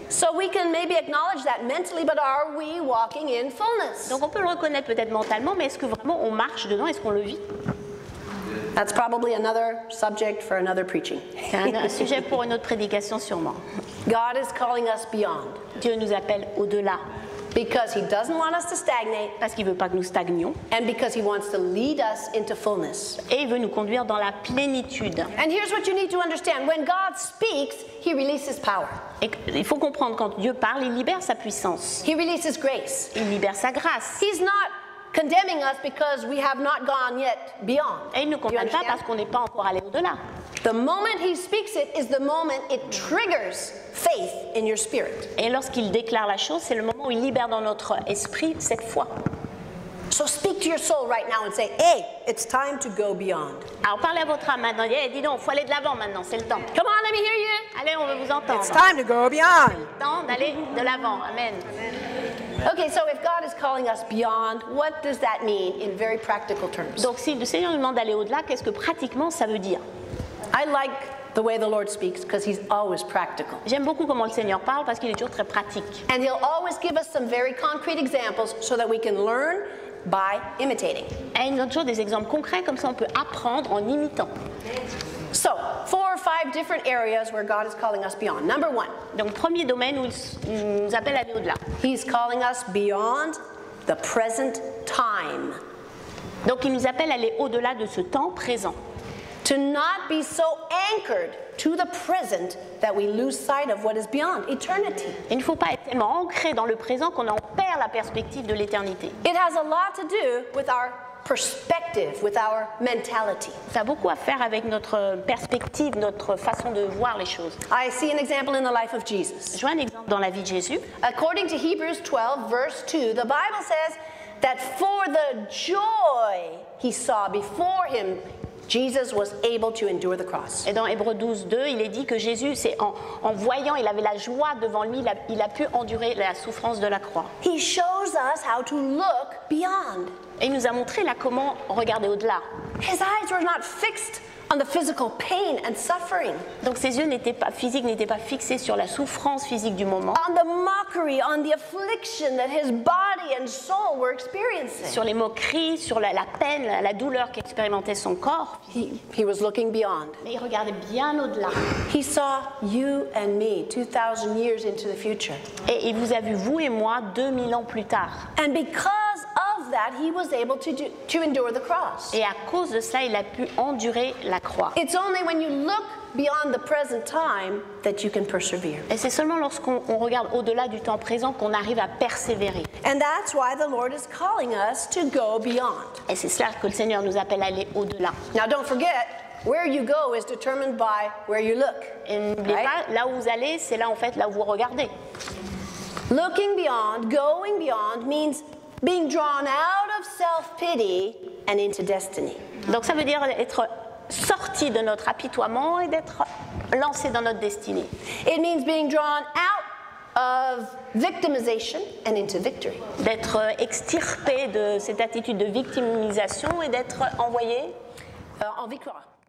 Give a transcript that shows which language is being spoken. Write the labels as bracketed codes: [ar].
[en] So we can maybe acknowledge that mentally, but are we walking in fullness? [fr] Donc on peut le reconnaître peut-être mentalement, mais est-ce que vraiment on marche dedans? Est-ce qu'on le vit? [en] That's probably another subject for another preaching. [fr] C'est un sujet pour une autre prédication sûrement. [en] God is calling us beyond. [fr] Dieu nous appelle au-delà. [en] Because he doesn't want us to stagnate. [fr] Parce qu'il veut pas que nous stagnions. [en] And because he wants to lead us into fullness. [fr] Et il veut nous conduire dans la plénitude. [en] And here's what you need to understand. When God speaks, he releases power. [fr] Et il faut comprendre, quand Dieu parle, il libère sa puissance. [en] He releases grace. [fr] Il libère sa grâce. [en] He's not condemning us because we have not gone yet beyond. [fr] Et il ne nous condamne pas parce qu'on n'est pas encore allé au-delà. [en] The moment he speaks it is the moment it triggers faith in your spirit. [fr] Et lorsqu'il déclare la chose, c'est le moment où il libère dans notre esprit cette foi. [en] So speak to your soul right now and say, hey, it's time to go beyond. [fr] Alors parlez à votre âme maintenant. Hey, dis donc, faut aller de l'avant maintenant, c'est le temps. [en] Come on, let me hear you. [fr] Allez, on veut vous entendre. [en] It's time to go beyond. [fr] C'est le temps d'aller de l'avant. Amen. [en] Okay, so if God is calling us beyond, what does that mean in very practical terms? [fr] Donc si le Seigneur nous demande d'aller au-delà, qu'est-ce que pratiquement ça veut dire? [en] I like the way the Lord speaks because he's always practical. [fr] J'aime beaucoup comment le Seigneur parle parce qu'il est toujours très pratique. [en] And he'll always give us some very concrete examples so that we can learn by imitating. [fr] Et il donne toujours des exemples concrets comme ça on peut apprendre en imitant. [en] So, four or five different areas where God is calling us beyond. Number one. [fr] Donc premier domaine où il nous appelle à aller au-delà. [en] He's calling us beyond the present time. [fr] Donc il nous appelle à aller au-delà de ce temps présent. [en] To not be so anchored to the present that we lose sight of what is beyond, eternity. [fr] Il ne faut pas être tellement ancré dans le présent qu'on en perd la perspective de l'éternité. [en] It has a lot to do with our perspective, with our mentality. [fr] Ça a beaucoup à faire avec notre perspective, notre façon de voir les choses. [en] I see an example in the life of Jesus. [fr] Je vois un exemple dans la vie de Jésus. [en] According to Hebrews 12, verse 2, the Bible says that for the joy he saw before him, Jesus was able to endure the cross. [fr] Et dans Hébreux 12:2, il est dit que Jésus, c'est en voyant, il avait la joie devant lui, il a pu endurer la souffrance de la croix. [en] He shows us how to look beyond. [fr] Et il nous a montré là comment regarder au-delà. [en] His eyes were not fixed on the physical pain and suffering. [fr] Donc ses yeux n'étaient pas physiques, n'étaient pas fixés sur la souffrance physique du moment. [en] On the mockery, on the affliction that his body and soul were experiencing. [fr] Sur les moqueries, sur la peine, la douleur qu'expérimentait son corps. [en] He was looking beyond. [fr] Mais il regardait bien au-delà. [en] He saw you and me 2000 years into the future. [fr] Et il vous a vu vous et moi 2000 ans plus tard. [en] And because of that he was able to endure the cross. [fr] Et à cause de ça, il a pu endurer la croix. [en] It's only when you look beyond the present time that you can persevere. [fr] Et c'est seulement lorsqu'on regarde au-delà du temps présent qu'on arrive à persévérer. [en] And that's why the Lord is calling us to go beyond. [fr] Et c'est cela que le Seigneur nous appelle à aller au-delà. [en] Now don't forget, where you go is determined by where you look. [fr] Et n'oubliez pas, là où vous allez, c'est là en fait là où vous regardez. [en] Looking beyond, going beyond means being drawn out of self-pity and into destiny. [fr] Donc ça veut dire être sorti de notre apitoiement et d'être lancé dans notre destinée. [en] It means being drawn out of victimization and into victory. [fr] D'être extirpé de cette attitude de victimisation et d'être envoyé en victoire.